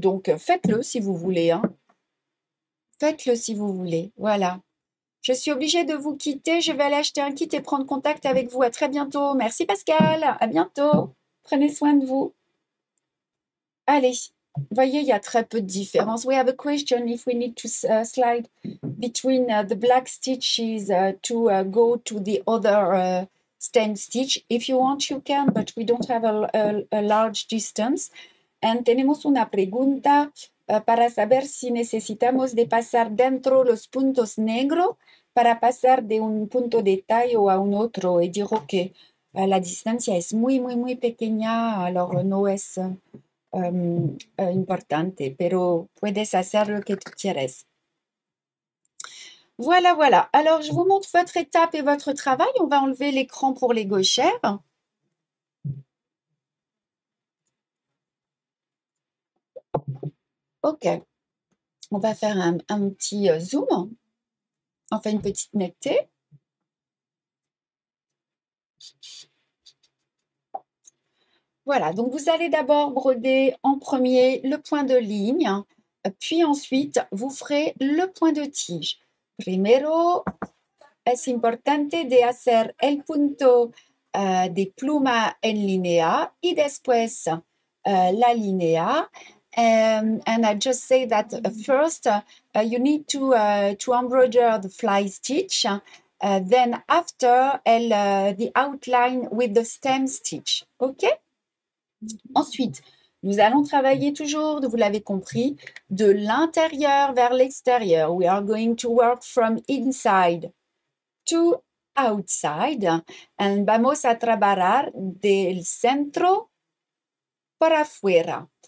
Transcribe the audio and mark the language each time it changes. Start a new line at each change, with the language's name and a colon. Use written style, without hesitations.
French: Donc, faites-le si vous voulez. Hein. Faites-le si vous voulez. Voilà. Je suis obligée de vous quitter. Je vais aller acheter un kit et prendre contact avec vous. À très bientôt. Merci Pascal. À bientôt. Prenez soin de vous. Allez. Vous voyez, il y a très peu de différence.
English: We have a question if we need to slide between the black stitches to go to the other stained stitch. If you want, you can, but we don't have a large distance.
Spanish: And tenemos una pregunta para saber si necesitamos de pasar dentro los puntos negros para pasar de un punto de tallo a un otro. Y dijo que la distancia es muy, muy, muy pequeña, alors no es... importante, pero puedes hacer lo que tú quieres.
French: Voilà, voilà. Alors, je vous montre votre étape et votre travail. On va enlever l'écran pour les gauchères. OK. On va faire un petit zoom. Enfin, une petite netteté. Voilà, donc vous allez d'abord broder en premier le point de ligne, puis ensuite vous ferez le point de tige.
Spanish: Primero, es importante de hacer el punto de pluma en linea y después la linea.
English: And I just say that first you need to embroider the fly stitch, then after the outline with the stem stitch. OK?
French: Ensuite, nous allons travailler toujours, vous l'avez compris, de l'intérieur vers l'extérieur.
English: We are going to work from inside to outside.
Spanish: And vamos a trabajar del centro para afuera.